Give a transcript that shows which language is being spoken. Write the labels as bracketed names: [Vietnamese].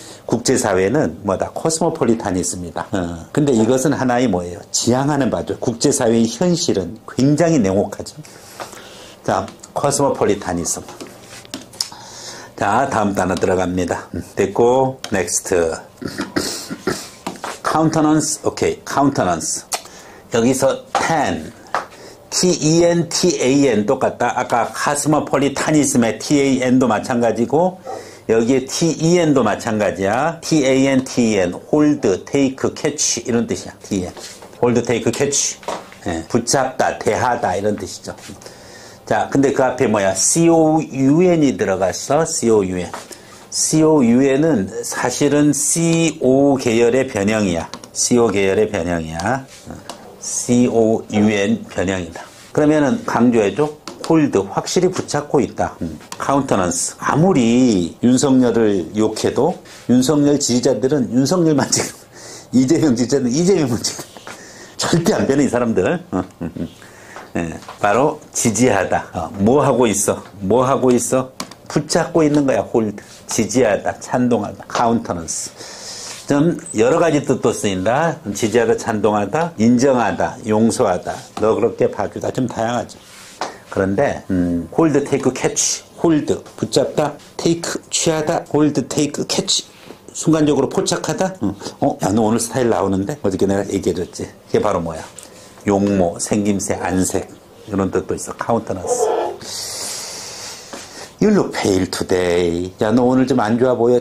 [Korean] 국제사회는 뭐다? 코스모폴리타니즘이다. 근데 이것은 하나의 뭐예요? 지향하는 바죠. 국제사회의 현실은 굉장히 냉혹하죠. 자, 코스모폴리타니즘. 자, 다음 단어 들어갑니다. 됐고, 넥스트. [English] countenance, okay, countenance. [Korean] 여기서 ten, T-E-N-T-A-N 똑같다. 아까 cosmopolitanism의 T-A-N도 마찬가지고 여기에 T-E-N도 마찬가지야. [English] T-A-N-T-E-N, hold, take, catch [Korean] 이런 뜻이야. [English] T-E-N, hold, take, catch. 예. [Korean] 붙잡다, 대하다 이런 뜻이죠. 자, 근데 그 앞에 뭐야? C-O-U-N이 들어갔어. C-O-U-N. C-O-U-N은 사실은 C-O 계열의 변형이야. C-O 계열의 변형이야. C-O-U-N 변형이다. 그러면은 강조해줘. Hold, 확실히 붙잡고 있다. [English] Countenance. [Korean] 아무리 윤석열을 욕해도 윤석열 지지자들은 윤석열만 지금, 이재명 지지자는 이재명만 지금. 절대 안 변해, 이 사람들. 바로 지지하다. 뭐 하고 있어? 뭐 하고 있어? 붙잡고 있는 거야, hold. 지지하다, 찬동하다, countenance. 좀 여러 가지 뜻도 쓰인다. 지지하다, 찬동하다, 인정하다, 용서하다, 너그럽게 봐주다. 좀 다양하죠. 그런데 [English] hold, take, catch. hold, 붙잡다, take, 취하다, hold, take, catch. [Korean] 순간적으로 포착하다. 야, 너 오늘 스타일 나오는데? 어저께 내가 얘기해줬지. 그게 바로 뭐야? 용모, 생김새, 안색 이런 뜻도 있어, countenance. [English] You look pale today. [Korean] 야, 너 오늘 좀 안 좋아 보여.